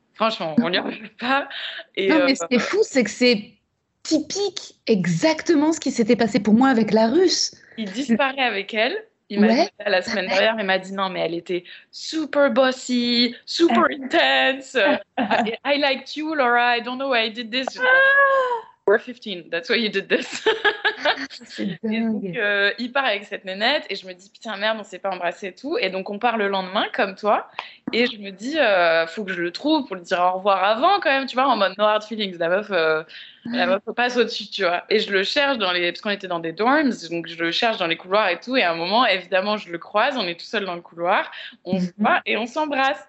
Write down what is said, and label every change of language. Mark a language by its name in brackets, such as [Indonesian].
[French] Franchement, on lui en veut pas. Et, non, mais ce qui est fou, c'est que c'est typique exactement ce qui s'était passé pour moi avec la Russe. Il disparaît avec elle. Il m'a dit ça la semaine dernière, il m'a dit non, mais elle était super bossy, super intense. [English] I liked you, Laura. I don't know why I did this. We're 15, that's why you did this. [French] Et donc, il part avec cette nénette et je me dis putain, merde, on s'est pas embrassé et tout. Et donc, on part le lendemain, comme toi. Et je me dis, faut que je le trouve pour lui dire au revoir avant, quand même, tu vois, en mode [English] no hard feelings. [French] La meuf passe au-dessus, tu vois. Et je le cherche parce qu'on était dans des dorms, donc je le cherche dans les couloirs et tout. Et à un moment, évidemment, je le croise, on est tout seul dans le couloir, on se voit et on s'embrasse.